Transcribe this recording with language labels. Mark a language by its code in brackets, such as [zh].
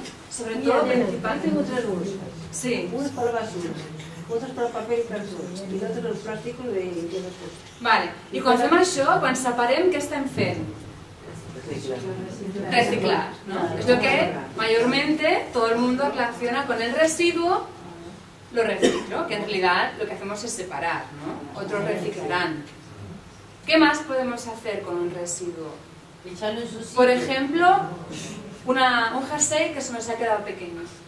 [es] Sobre todo, principal, tengo tres bolsas. Sí. Una para basura. [ca] Otres per paper i cartó, i d'altres els plàstics de cosa. Vale. I quan fem això, quan separem, què estem fent? Reciclar. No? És el que majorment tot el món relaciona [es] con el residu, lo reciclo, que [ca] en realitat [es] lo que hacemos es separar, ¿no? Otros reciclarán. ¿Qué más podemos hacer con un residu? Por ejemplo, un jersey que se nos ha quedado pequeño.